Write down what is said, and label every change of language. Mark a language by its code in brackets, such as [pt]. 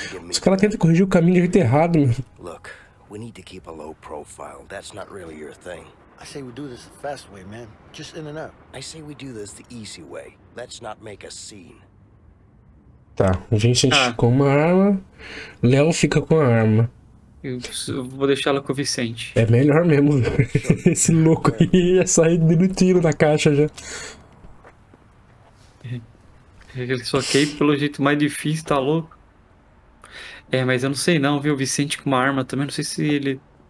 [pt] Os caras tentam corrigir o caminho de jeito errado, mano. [en] Look, we need to keep a low profile. That's not really your thing. I say we do this the fast way, man. Just in and out. I say we do this the easy way. Let's not make a scene. [pt] Tá, a gente com uma arma, Léo fica com a arma. Eu vou deixar ela com o Vicente. É melhor mesmo, esse louco aí ia sair dando tiro na caixa já. Ele só quer ir pelo jeito mais difícil, tá louco? É, mas eu não sei não, viu, o Vicente com uma arma também, não sei se ele...